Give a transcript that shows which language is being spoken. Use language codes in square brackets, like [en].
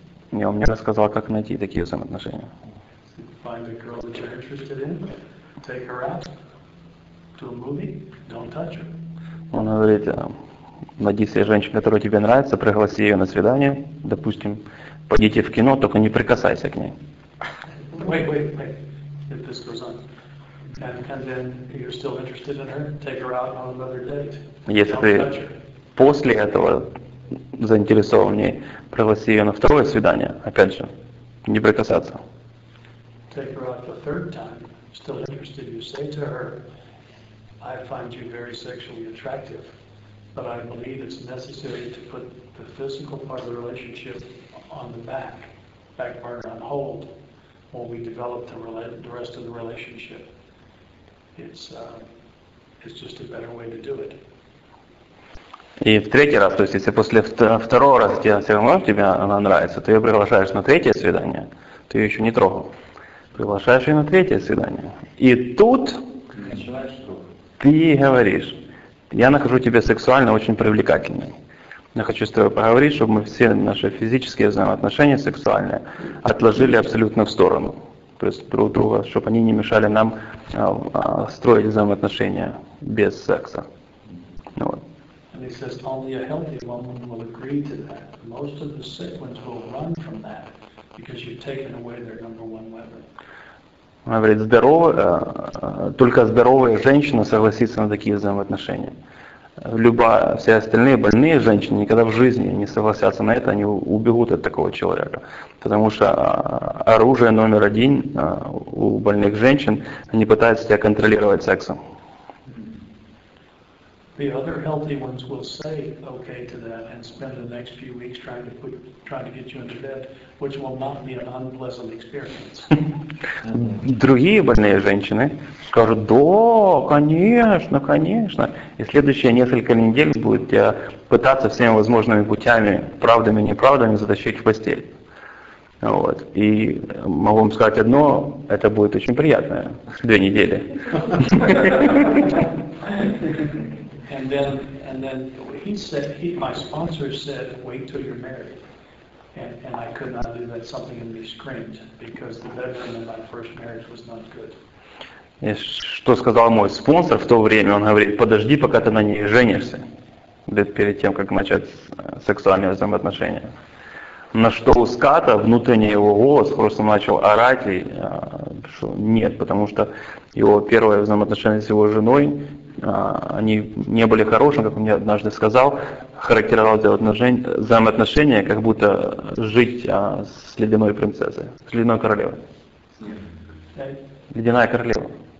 [ru] И он мне рассказал, как найти такие взаимоотношения. [en] Find a girl that you're interested in, take her out to a movie, don't touch her. [ru] Он говорит, найди себе женщину, которая тебе нравится, пригласи ее на свидание, допустим, пойдите в кино, только не прикасайся к ней. [en] Wait, if this goes on. And then you're still interested in her, take her out on another date. [ru] Если ты после этого заинтересован в ней, пригласи ее на второе свидание, опять же, не прикасаться. [en] Take her out the third time, still interested, you say to her, I find you very sexually attractive, but I believe it's necessary to put the physical part of the relationship on the back burner on hold, while we develop the rest of the relationship. It's just a better way to do it. [ru] И в третий раз, то есть если после второго раза тебе все равно тебе она нравится, ты ее приглашаешь на третье свидание, ты ее еще не трогал. Приглашаешь ее на третье свидание. И тут ты говоришь, я нахожу тебя сексуально очень привлекательной. Я хочу с тобой поговорить, чтобы мы все наши физические взаимоотношения сексуальные отложили абсолютно в сторону. То есть друг друга, чтобы они не мешали нам строить взаимоотношения без секса. Вот. [en] And he says, only a healthy woman will agree to that. Most of the sick ones will run from that. Because you've taken away their number one weapon. [ru] Он говорит, только здоровая женщина согласится на такие взаимоотношения. Все остальные больные женщины никогда в жизни не согласятся на это, они убегут от такого человека. Потому что оружие номер один у больных женщин, они пытаются тебя контролировать сексом. [en] The other healthy ones will say okay to that and spend the next few weeks trying to get you into bed, which will not be an unpleasant experience. [ru] Другие больные женщины скажут, да, конечно, конечно. И следующие несколько недель будут тебя пытаться всеми возможными путями, правдами и неправдами, затащить в постель. Вот. И могу вам сказать одно, это будет очень приятно. 2 недели. [en] And then he said, my sponsor said, wait till you're married. And I could not do that. Something in me screamed because the bedroom in my first marriage was not good. [ru] И что сказал мой спонсор в то время? Он говорит, подожди, пока ты на ней женишься, перед тем, как начать сексуальные взаимоотношения. На что у ската внутренний его голос просто начал орать, и, что нет, потому что его первое взаимоотношение с его женой, они не были хорошими, как он мне однажды сказал, характеризовал взаимоотношения, как будто жить с ледяной принцессой, с ледяной королевой. Ледяная королева.